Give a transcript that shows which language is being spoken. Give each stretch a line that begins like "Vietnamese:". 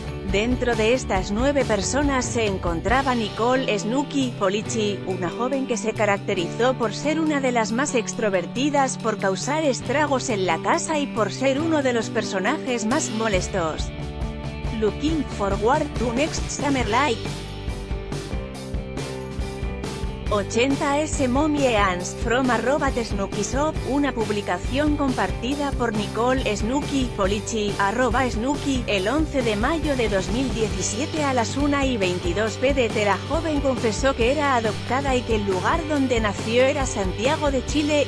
Spanish: Dentro de estas 9 personas se encontraba Nicole Snooki Polici, una joven que se caracterizó por ser una de las más extrovertidas, por causar estragos en la casa y por ser uno de los personajes más molestos.
English: Looking forward to next summer like. 80s Mommy Ans from @SnookiShop,
Spanish: una publicación compartida por Nicole Snooki Polici, @Snooki, el 11 de mayo de 2017 a las 1:22 p.m. La joven confesó que era adoptada y que el lugar donde nació era Santiago de Chile.